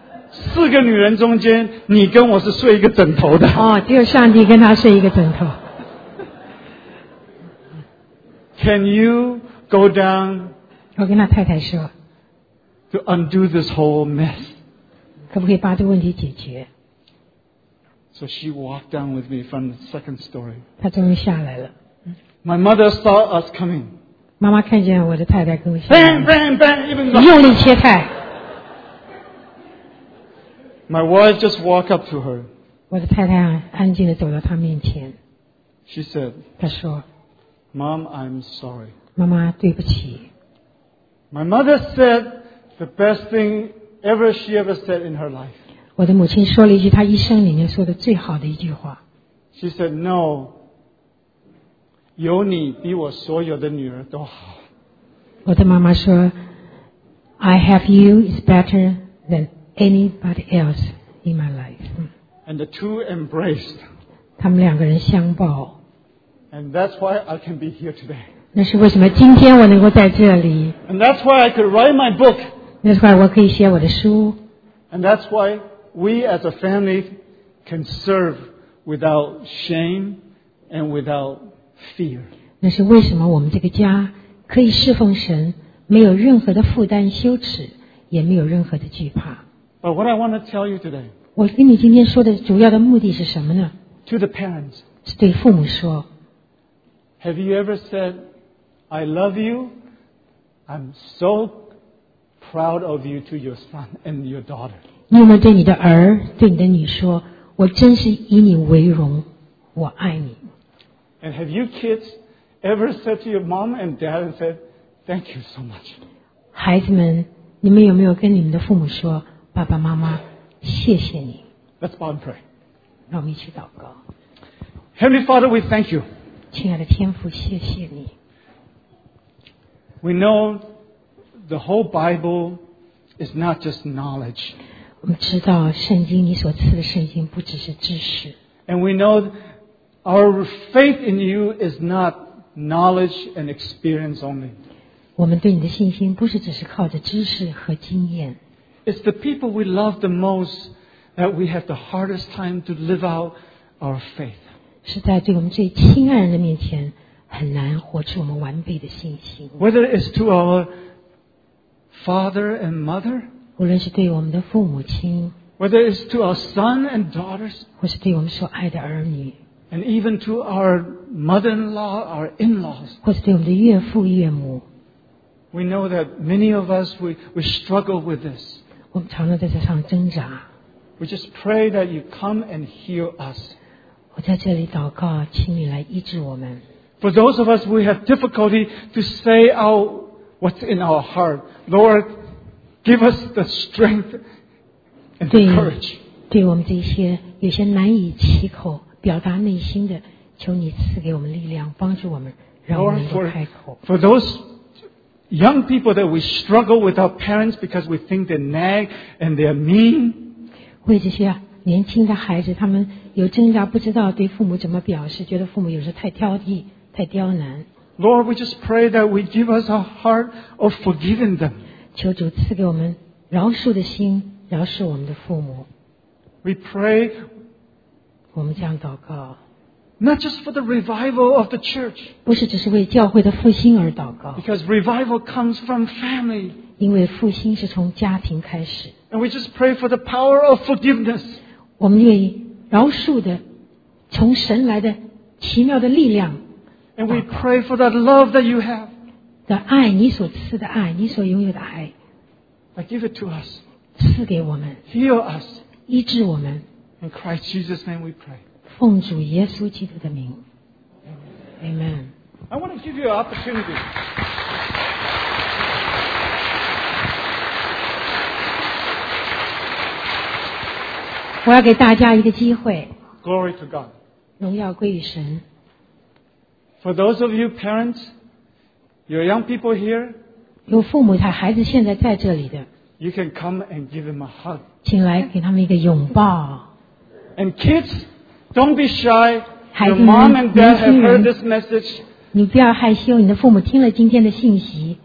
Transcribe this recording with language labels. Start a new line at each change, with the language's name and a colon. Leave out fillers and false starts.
Chinese: 四个女人中间，你跟我是睡一个枕头的。哦，只有上帝跟她睡一个枕头。
English: Can you go down?
Chinese: 我跟他太太说。
English: To undo this whole mess.
Chinese: 可不可以把这个问题解决
English: ？So she walked down with me from the second story.
Chinese: 她终于下来了。
English: My mother saw us coming.
Chinese: 妈妈看见我的太太跟我下来。
English: Bang bang bang! Even though
Chinese: 用力切菜。
English: My wife just walked up to her.
Chinese: 我的太太安静地走到她面前。
English: She said.
Chinese: 她说。
English: Mom, I'm sorry.
Chinese: 妈妈，对不起。
English: My mother said the best thing ever she ever said in her life.
Chinese: 我的母亲说了一句她一生里面说的最好的一句话。
English: She said, no,
Chinese: 有你比我所有的女儿都好。我的妈妈说
English: I have you is better than anybody else in my life. And the two embraced.
Chinese: 他们两个人相抱。
English: And that's why I can be here today.
Chinese: 那是为什么今天我能够在这里。
English: And that's why I could write my book.
Chinese: 那是为什么我可以写我的书。
English: And that's why we as a family can serve without shame and without fear.
Chinese: 那是为什么我们这个家可以侍奉神，没有任何的负担、羞耻，也没有任何的惧怕。
English: But what I want to tell you today.
Chinese: 我跟你今天说的主要的目的是什么呢
English: ？To the parents.
Chinese: 是对父母说。
English: Have you ever said, "I love you"? I'm so proud of you to your son and your daughter.
Chinese: 你有没有对你的儿、对你的女说，我真是以你为荣，我爱你
English: ？And have you kids ever said to your mom and dad and said, "Thank you so much"?
Chinese: 孩子们，你们有没有跟你们的父母说，爸爸妈妈，谢谢你
English: ？Let's bow and pray.
Chinese: 让我们一起祷告。
English: Heavenly Father, we thank you.
Chinese: 亲爱的天父，谢谢你。
English: We know the whole Bible is not just knowledge.
Chinese: 我们知道圣经，你所赐的圣经不只是知识。
English: And we know our faith in you is not knowledge and experience only.
Chinese: 我们对你的信心不是只是靠着知识和经验。
English: It's the people we love the most that we have the hardest time to live out our faith.
Chinese: 是在对我们最亲爱人的面前很难活出我们完备的信心。
English: Whether it's to our father and mother,
Chinese: 无论是对我们的父母亲
English: ，Whether it's to our son and daughters,
Chinese: 或是对我们所爱的儿女
English: ，And even to our mother-in-law, our in-laws,
Chinese: 或是对我们的岳父岳母
English: ，We know that many of us we struggle with this.
Chinese: 我们常常在这上挣扎。
English: We just pray that you come and heal us.
Chinese: 我在这里祷告，请你来医治我们。
English: For those of us we have difficulty to say out what's in our heart, Lord, give us the strength and the courage.
Chinese: 对我们这些有些难以启口表达内心的，求你赐给我们力量，帮助我们，让我们能够开口。
English: For those young people that we struggle with our parents because we think they nag and they're mean.
Chinese: 为这些年轻的孩子，他们有挣扎，不知道对父母怎么表示，觉得父母有时太挑剔、太刁难。
English: Lord, we just pray that we give us a heart of forgiving them.
Chinese: 求主赐给我们饶恕的心，饶恕我们的父母。
English: We pray.
Chinese: 我们这样祷告。
English: Not just for the revival of the church.
Chinese: 不是只是为教会的复兴而祷告。
English: Because revival comes from family.
Chinese: 因为复兴是从家庭开始。
English: And we just pray for the power of forgiveness.
Chinese: 我们愿意饶恕的，从神来的奇妙的力量。
English: And we pray for that love that you have.
Chinese: 的爱，你所赐的爱，你所拥有的爱。
English: But give it to us.
Chinese: 赐给我们。
English: Heal us.
Chinese: 医治我们。
English: In Christ Jesus' name we pray.
Chinese: 奉主耶稣基督的名。Amen.
English: I want to give you an opportunity.
Chinese: 我要给大家一个机会。
English: Glory to God.
Chinese: 荣耀归于神。
English: For those of you parents, your young people here,
Chinese: 有父母他孩子现在在这里的。
English: You can come and give them a hug.
Chinese: 请来给他们一个拥抱。
English: And kids, don't be shy. Your mom and dad have heard this message.
Chinese: 你不要害羞，你的父母听了今天的信息。